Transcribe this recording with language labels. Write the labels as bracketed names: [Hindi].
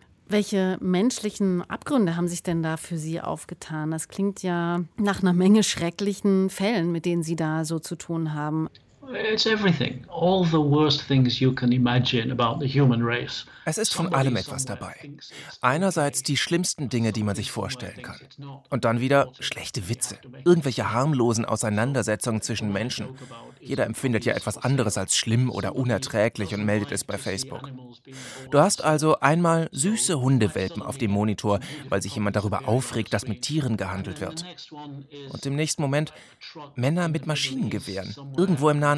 [German] Welche menschlichen Abgründe haben sich denn da für Sie aufgetan? Das klingt ja nach einer Menge schrecklichen Fällen, mit denen Sie da so zu tun haben. [English] It's everything. All the worst things you can imagine about the human race. [German] Es ist von allem etwas dabei. Einerseits die schlimmsten Dinge, die man sich vorstellen kann. Und dann wieder schlechte Witze. Irgendwelche harmlosen Auseinandersetzungen zwischen Menschen. Jeder empfindet ja etwas anderes als schlimm oder unerträglich und meldet es bei Facebook. Du hast also einmal süße Hundewelpen auf dem Monitor, weil sich jemand darüber aufregt, dass mit Tieren gehandelt wird. Und im nächsten Moment Männer mit Maschinengewehren, irgendwo im Nahen